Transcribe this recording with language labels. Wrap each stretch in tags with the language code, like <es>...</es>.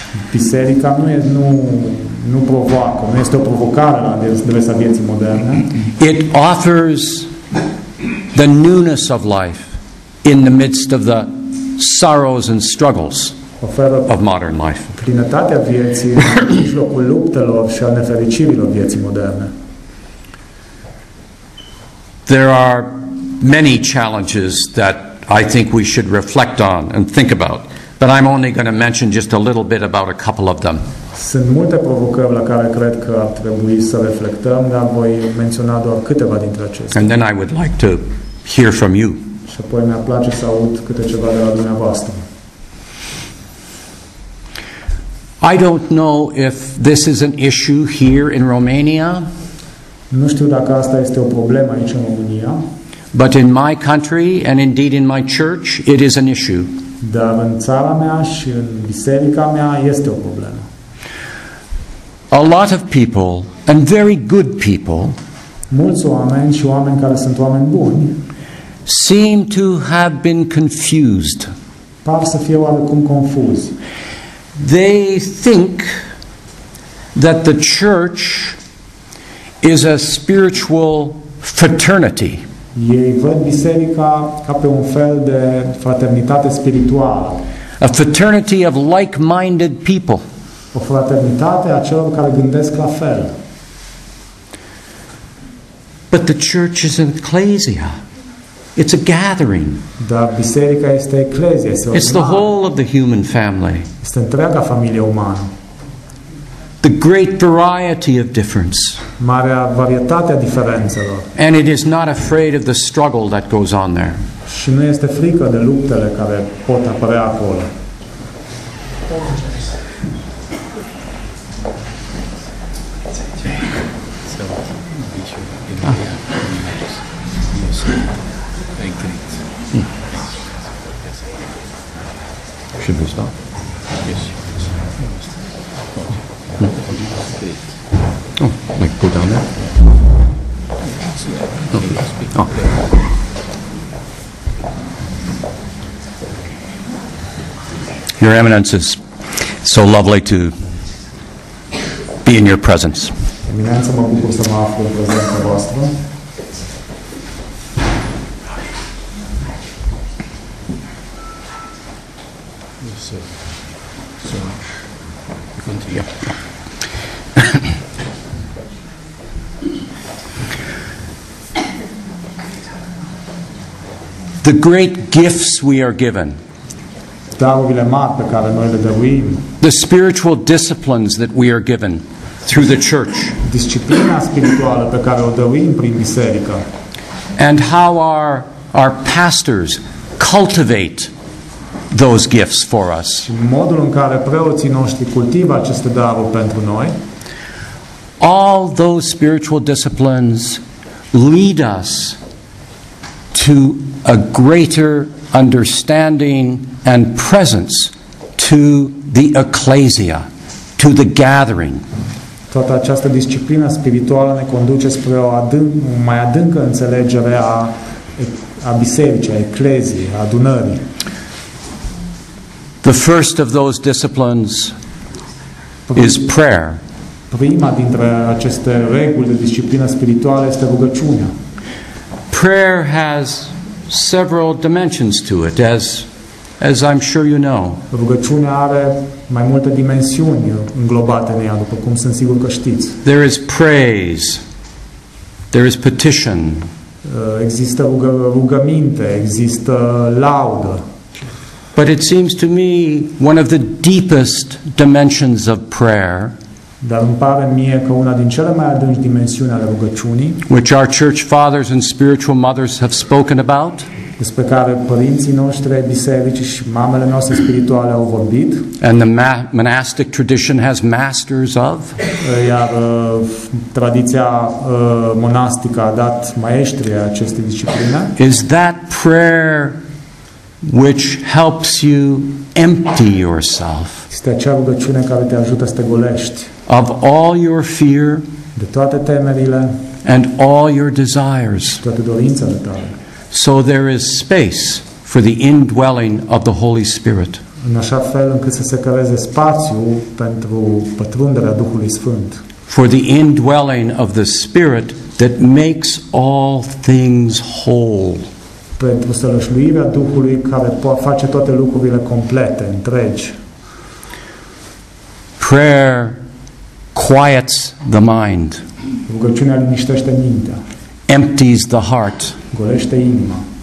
<ro>Biserica nu provoacă, nu este o provocare la adresa vieții moderne.</ro> <en>It offers the newness of life in the midst of the sorrows and struggles of modern life.</en> <ro>Plinătatea vieții în mijlocul luptelor și a nefericirilor vieții moderne.</ro> <en>There are many challenges that I think we should reflect on and think about, but I'm only going to mention just a little bit about a couple of them.</en> <ro>Sunt multe provocări la care cred că ar trebui să reflectăm, dar voi menționa doar câteva dintre acestea.</ro> <en>And then I would like to hear from you.</en> <ro>Și apoi mi-ar place să aud câte ceva de la dumneavoastră.</ro> <en>I don't know if this is an issue here in Romania.</en> <ro>Nu știu dacă asta este o problemă aici în România.</ro> <en>But in my country and indeed in my church, it is an issue.</en> <ro>Dar în țara mea și în biserica mea este o problemă.</ro> <en>A lot of people and very good people,</en> <ro>mulți oameni și oameni care sunt oameni buni,</ro> <en>seem to have been confused.</en> <ro>Par să fie oarecum confuzi.</ro> <en>They think that the church is a spiritual fraternity.</en> <ro>Ei văd biserica ca pe un fel de fraternitate spirituală.</ro> <en>A fraternity of like-minded people.</en> <ro>O fraternitate a celor care gândesc la fel.</ro> <en>But the church is an ecclesia. It's a gathering.</en> <ro>Dar biserica este eclezia, este o</ro> <en>It's the whole of the human family.</en> <ro>Este întreaga familie umană.</ro> <en>The great variety of difference.</en> <ro>Marea varietate a diferențelor.</ro> <en>And it is not afraid of the struggle that goes on there.</en> <ro>Și nu este frică de luptele care pot apărea acolo.</ro> <en>Your Eminence, is so lovely to be in your presence.</en> <ro>Eminență, mă bucur să mă aflu în prezența voastră.</ro> <en>The great gifts we are given.</en> <ro>Darurile mari pe care noi le dăruim.</ro> <en>The spiritual disciplines that we are given through the church.</en> <ro>Disciplina spirituală pe care o dăruim prin biserică.</ro> <en>And how our pastors cultivate those gifts for us.</en> <ro>Modul în care preoții noștri cultivă aceste daruri pentru noi.</ro> <en>All those spiritual disciplines lead us to a greater understanding and presence to the ecclesia, to the gathering.</en> <ro>toată această disciplină spirituală ne conduce spre o mai adâncă înțelegere a bisericii, a ecleziei, a adunării.</ro> <en>The first of those disciplines is prayer.</en> <ro>Prima dintre aceste reguli de disciplină spirituală este rugăciunea.</ro> <en>Prayer has several dimensions to it, as I'm sure you know.</en> <ro>Rugăciunea are mai multe dimensiuni înglobate în ea, după cum sunt sigur că știți.</ro> <en>There is praise. There is petition.</en> <ro>Există rugăminte, există laudă.</ro> <en>But it seems to me one of the deepest dimensions of prayer,</en> <ro>dar îmi pare mie că una din cele mai adânci dimensiuni ale rugăciunii,</ro> <en>which our church fathers and spiritual mothers have spoken about,</en> <ro>despre care părinții noștri ai bisericii și mamele noastre spirituale au vorbit,</ro> <en>and the monastic tradition has masters of,</en> <ro>iar tradiția monastică a dat maestrii acestei discipline,</ro> <en>is that prayer which helps you empty yourself.</en> <ro>Este acea rugăciune care te ajută să te golești.</ro> <en>Of all your fear,</en> <ro>de toate temerile,</ro> <en>and all your desires.</en> <ro>Toate dorințele tale.</ro> <en>So there is space for the indwelling of the Holy Spirit.</en> <ro>În așa fel încât să se creeze spațiu pentru pătrunderea Duhului Sfânt.</ro> <en>For the indwelling of the Spirit that makes all things whole.</en> <ro>Pentru sălășluirea Duhului care face toate lucrurile complete, întregi.</ro> <en>Prayer quiets the mind.</en> <ro>Rugăciunea liniștește mintea.</ro> <en>Empties the heart.</en> <ro>Golește inima.</ro>